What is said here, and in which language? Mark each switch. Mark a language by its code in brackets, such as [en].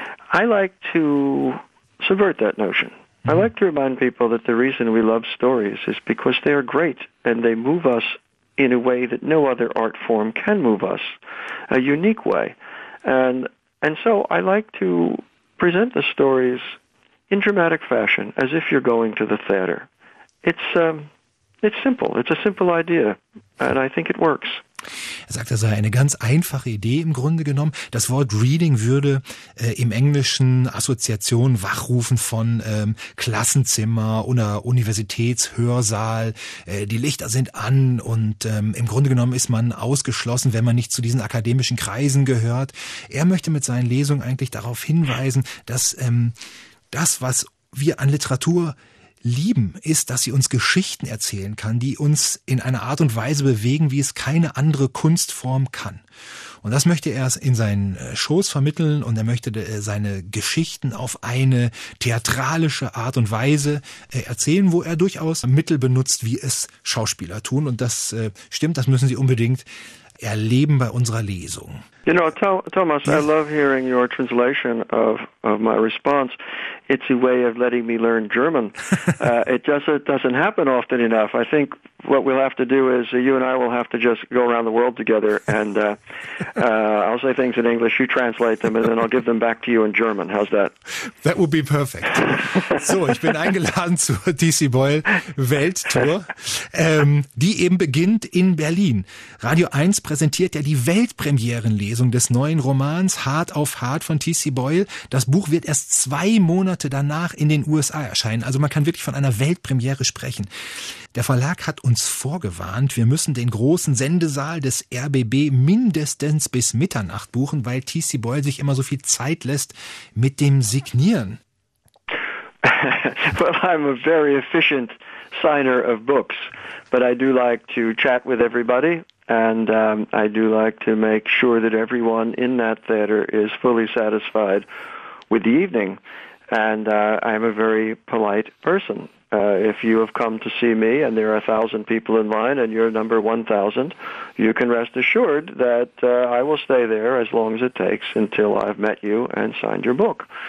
[en] I like to subvert that notion. I like to remind people that the reason we love stories is because they are great and they move us in a way that no other art form can move us, a unique way. And so I like to present the stories in dramatic fashion as if you're going to the theater. It's simple. It's a simple idea. And I think it works. [de] Er sagt, das sei eine ganz einfache Idee im Grunde genommen. Das Wort Reading würde im Englischen Assoziationen wachrufen von Klassenzimmer oder Universitätshörsaal. Die Lichter sind an und im Grunde genommen ist man ausgeschlossen, wenn man nicht zu diesen akademischen Kreisen gehört. Er möchte mit seinen Lesungen eigentlich darauf hinweisen, dass das, was wir an Literatur lieben, ist, dass sie uns Geschichten erzählen kann, die uns in einer Art und Weise bewegen, wie es keine andere Kunstform kann. Und das möchte er in seinen Shows vermitteln und er möchte seine Geschichten auf eine theatralische Art und Weise erzählen, wo er durchaus Mittel benutzt, wie es Schauspieler tun. Und das stimmt, das müssen sie unbedingt erleben bei unserer Lesung. [en] You know, Thomas, I love hearing your translation of my response. It's a way of letting me learn German. It doesn't happen often enough. I think what we'll have to do is you and I will have to just go around the world together and I'll say things in English, you translate them, and then I'll give them back to you in German. How's that? That would be perfect. [de] So, ich bin eingeladen zur T.C. Boyle Welttour, die eben beginnt in Berlin. Radio 1 präsentiert ja die Weltpremierenlesung des neuen Romans Hart auf Hart von T.C. Boyle. Das Buch wird erst 2 Monate danach in den USA erscheinen. Also man kann wirklich von einer Weltpremiere sprechen. Der Verlag hat uns vorgewarnt, wir müssen den großen Sendesaal des RBB mindestens bis Mitternacht buchen, weil T.C. Boyle sich immer so viel Zeit lässt mit dem Signieren. [en] Well, I'm a very efficient signer of books, but I do like to chat with everybody and I do like to make sure that everyone in that theater is fully satisfied with the evening. And I am a very polite person. If you have come to see me and there are 1,000 people in line and you're number 1,000, you can rest assured that I will stay there as long as it takes until I've met you and signed your book.